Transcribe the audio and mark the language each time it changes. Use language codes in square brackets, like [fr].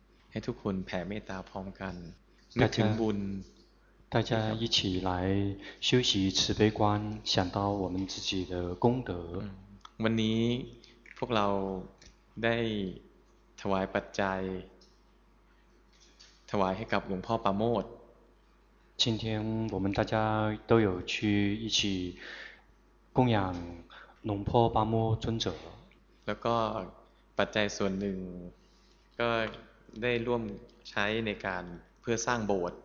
[th] ให้ทุกคนแผ่เมตตาพร้อมกันนึกถึงบุญ [zh] 大家一起来修习慈悲观想到我们自己的功德 [th] วันนี้พวกเราได้ถวายปัจจัยถวายให้กับหลวงพ่อปราโมท [zh] 今天我们大家都有去一起供养龙婆巴莫尊者 [th] แล้วก็ปัจจัยส่วนหนึ่งก็ได้ร่วมใช้ในการเพื่อสร้างโบสถ